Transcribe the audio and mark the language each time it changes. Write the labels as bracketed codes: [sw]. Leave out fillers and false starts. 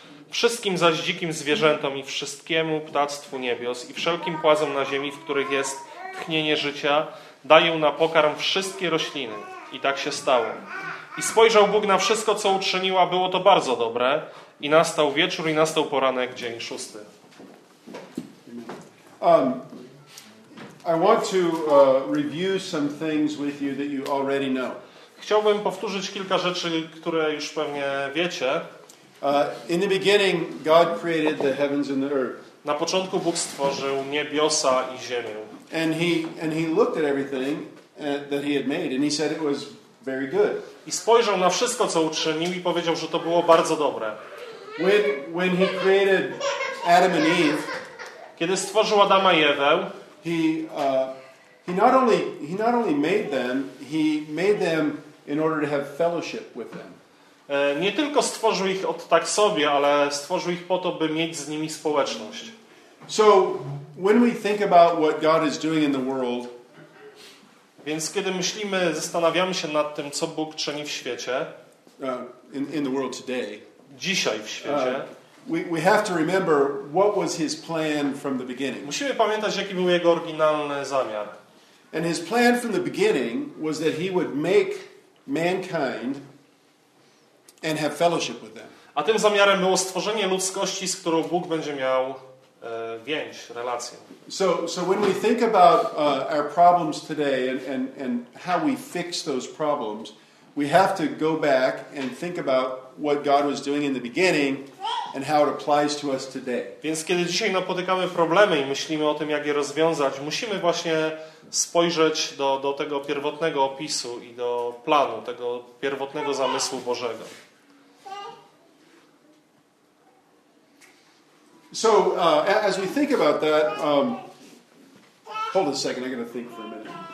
[pl] Wszystkim zaś dzikim zwierzętom i wszystkiemu ptactwu niebios i wszelkim płazom na ziemi, w których jest tchnienie życia, daję na pokarm wszystkie rośliny. I tak się stało. I spojrzał Bóg na wszystko, co uczynił, a było to bardzo dobre. I nastał wieczór i nastał poranek, dzień szósty. [en] I want to review some things with you that you already know. [pl] Chciałbym powtórzyć kilka rzeczy, które już pewnie wiecie. [en] In the beginning God created the heavens and the earth. [pl] Na początku Bóg stworzył niebiosa i ziemię. [en] And he looked at everything that he had made and he said it was very good. [pl] I spojrzał na wszystko, co uczynił i powiedział, że to było bardzo dobre. [en] When he created Adam and Eve, [pl] kiedy stworzył Adama i Ewę, [en] he not only made them, he made them in order to have fellowship with them. [pl] Nie tylko stworzył ich od tak sobie, ale stworzył ich po to, by mieć z nimi społeczność. [en] So when we think about what God is doing in the world, [pl] więc kiedy myślimy, zastanawiamy się nad tym, co Bóg czyni w świecie, [en] in the world today, [pl] dzisiaj w świecie, [en] we have to remember what was his plan from the beginning. [pl] Musimy pamiętać, jaki był jego oryginalny zamiar. [en] And his plan from the beginning was that he would make mankind and have fellowship with them. [pl] A tym zamiarem było stworzenie ludzkości, z którą Bóg będzie miał więź, relację. [en] So when we think about our problems today and how we fix those problems, we have to go back and think about what God was doing in the beginning and how it applies to us today. [pl] Więc kiedy dzisiaj napotykamy problemy i myślimy o tym, jak je rozwiązać, musimy właśnie spojrzeć do tego pierwotnego opisu i do planu, tego pierwotnego zamysłu Bożego. [en] So as we think about that, hold a second. I got to think for a minute.